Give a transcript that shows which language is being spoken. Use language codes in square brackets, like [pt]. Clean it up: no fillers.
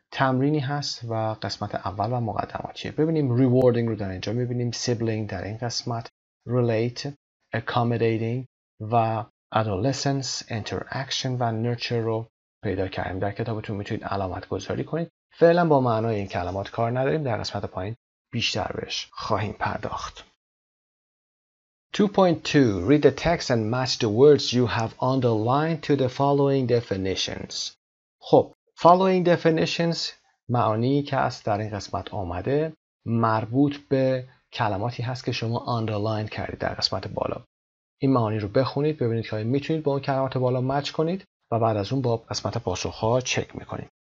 [fa] تمرینی هست و قسمت اول و مقدماتیه. ببینیم rewarding رو در اینجا میبینیم، sibling در این قسمت، relate, accommodating و adolescence, interaction و nurture رو پیدا کردیم. در کتابتون میتونید علامت گذاری کنید. فعلا با معنای این کلمات کار نداریم، در قسمت پایین بیشتر بهش خواهیم پرداخت. 2.2. [en] Read the text and match the words you have underlined to the following definitions. [fa] خب following definitions معانی که است در این قسمت آمده مربوط به کلماتی هست که شما underline کردید در قسمت بالا. این معانی رو بخونید ببینید که میتونید با اون کلمات بالا مچ کنید و بعد از اون با قسمت پاسخ‌ها چک میکنید.